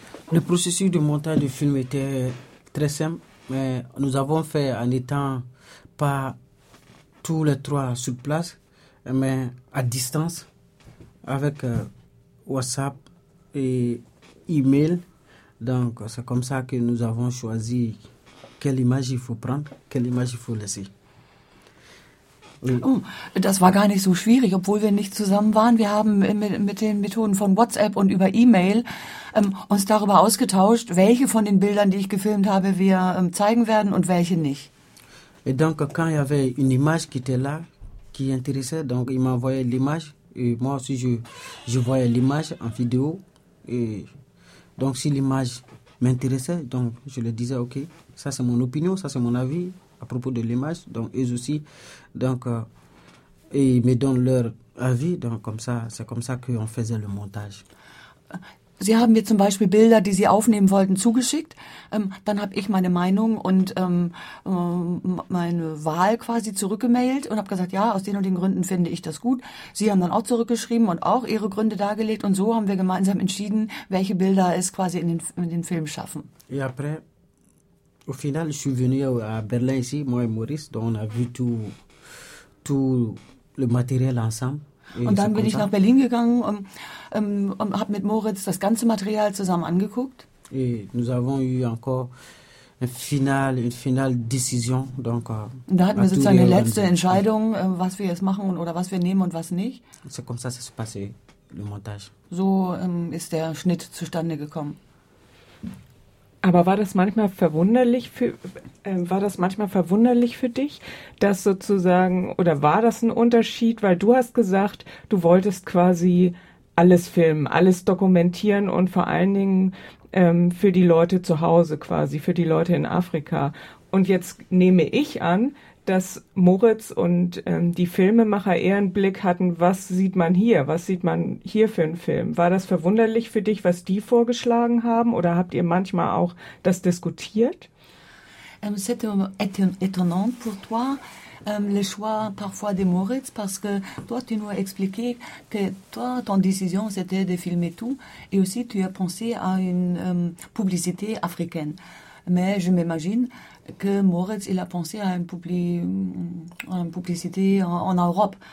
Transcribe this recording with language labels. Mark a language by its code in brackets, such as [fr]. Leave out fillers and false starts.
[fr] Le processus de montage du film était très simple, mais nous avons fait en étant pas tous les trois sur place, mais à distance, avec WhatsApp et email. Donc, c'est comme ça que nous avons choisi quelle image il faut prendre, quelle image il faut laisser. [de] Oh, das war gar nicht so schwierig, obwohl wir nicht zusammen waren. Wir haben mit den Methoden von WhatsApp und über E-Mail uns darüber ausgetauscht, welche von den Bildern, die ich gefilmt habe, wir zeigen werden und welche nicht. [fr] Et donc, quand il y avait une image qui était là, qui intéressait, donc il m'envoyait l'image et moi aussi je voyais l'image en vidéo et donc si l'image m'intéressait, donc je le disais ok, ça c'est mon opinion, ça c'est mon avis à propos de l'image, donc eux aussi, donc ils me donnent leur avis, donc comme ça, c'est comme ça qu'on faisait le montage. [de] Sie haben mir zum Beispiel Bilder, die Sie aufnehmen wollten, zugeschickt. Dann habe ich meine Meinung und meine Wahl quasi zurückgemailt und habe gesagt, ja, aus den und den Gründen finde ich das gut. Sie haben dann auch zurückgeschrieben und auch Ihre Gründe dargelegt. Und so haben wir gemeinsam entschieden, welche Bilder es quasi in den Film schaffen. [fr] Et après, au final, je suis venu à Berlin ici, moi et Maurice, donc on a vu tout, tout le matériel ensemble. [de] Und dann bin ich nach Berlin gegangen und habe mit Moritz das ganze Material zusammen angeguckt. [fr] Et nous avons eu encore une finale décision. Donc, [de] da hatten wir sozusagen eine letzte Entscheidung, was wir jetzt machen oder was wir nehmen und was nicht. [fr] C'est comme ça, ça s'est passé, le montage. [de] So ist der Schnitt zustande gekommen. Aber war das manchmal verwunderlich für dich, dass sozusagen, oder war das ein Unterschied, weil du hast gesagt, du wolltest quasi alles filmen, alles dokumentieren und vor allen Dingen für die Leute zu Hause quasi, für die Leute in Afrika. Und jetzt nehme ich an, dass Moritz und die Filmemacher eher einen Blick hatten, was sieht man hier, was sieht man hier für einen Film? War das verwunderlich für dich, was die vorgeschlagen haben, oder habt ihr manchmal auch das diskutiert? [fr] C'était étonnant pour toi, le choix parfois de Moritz, parce que toi tu nous as expliqué que toi ton décision c'était de filmer tout, et aussi tu as pensé à une publicité africaine. Mais je m'imagine que Moritz, il a pensé à une publicité en Europe.